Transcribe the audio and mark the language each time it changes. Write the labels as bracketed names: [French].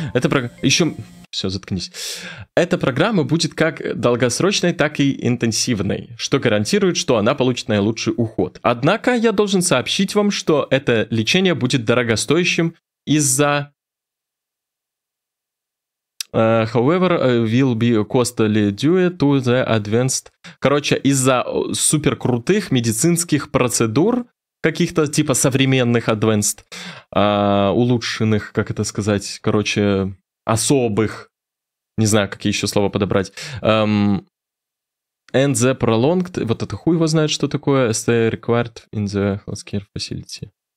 [Russian] Это Все, заткнись. Эта программа будет как долгосрочной, так и интенсивной, что гарантирует, что она получит наилучший уход. Однако я должен сообщить вам, что это лечение будет дорогостоящим из-за... [English] however, will be costly due to the advanced... [Russian] Короче, из-за суперкрутых медицинских процедур, каких-то типа современных advanced, улучшенных, как это сказать, короче, особых, не знаю, какие еще слова подобрать, [English] and the prolonged, [Russian] вот это хуй его знает, что такое, [English] stay required in the healthcare facility,